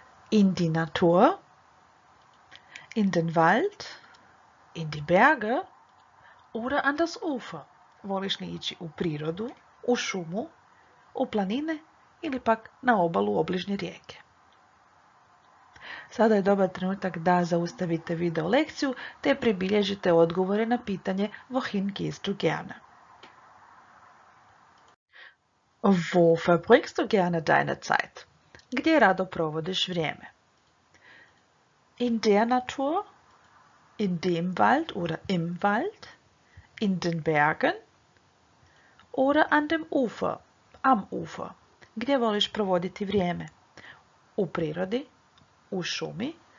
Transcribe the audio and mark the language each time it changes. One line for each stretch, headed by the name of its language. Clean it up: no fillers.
German: In die Natur, in den Wald, in die Berge oder an das Ufer.
Croatian: Voliš li ići u prirodu, u šumu, u planine ili pak na obalu obližnje rijeke? Sada je dobar trenutak da zaustavite video lekciju te pribilježite odgovore na pitanje
German: Wohin gehst du gerne? Wo verbringst du gerne deine Zeit?
Croatian: Gdje rado provodiš vrijeme?
German: In der Natur, in dem Wald oder im Wald, in den Bergen oder an dem Ufer, am Ufer.
Croatian: Gdje voliš provoditi vrijeme? U prirodi, u šumi.